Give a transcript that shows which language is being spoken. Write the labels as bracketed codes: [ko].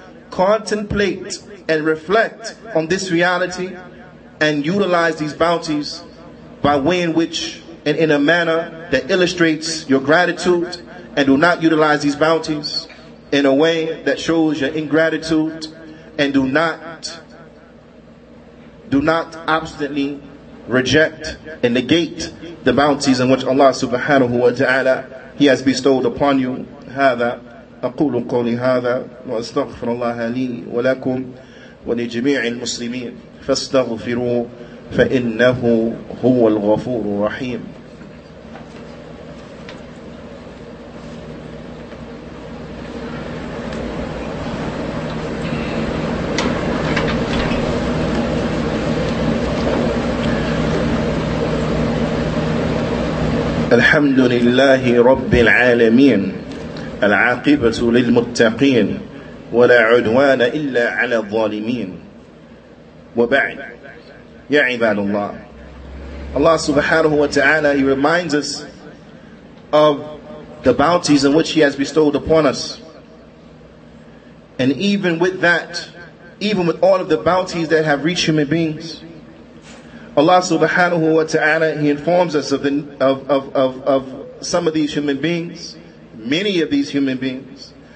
[en] Contemplate and reflect on this reality and utilize these bounties by way in which and in a manner that illustrates your gratitude, and do not utilize these bounties in a way that shows your ingratitude, and do not obstinately reject and negate the bounties in which Allah subhanahu wa ta'ala He has bestowed upon you. [ar] هذا أقول قولي هذا وأستغفر الله لي ولكم ولجميع المسلمين فاستغفروه فإنه هو الغفور الرحيم. الحمد لله رب العالمين العاقبة للمتقين ولا عدوان إلا على الظالمين وبعد. يا عباد الله, [en] Allah subhanahu wa ta'ala, He reminds us of the bounties in which He has bestowed upon us. And even with that, even with all of the bounties that have reached human beings, Allah subhanahu wa ta'ala, He informs us of some of these human beings, many of these human beings.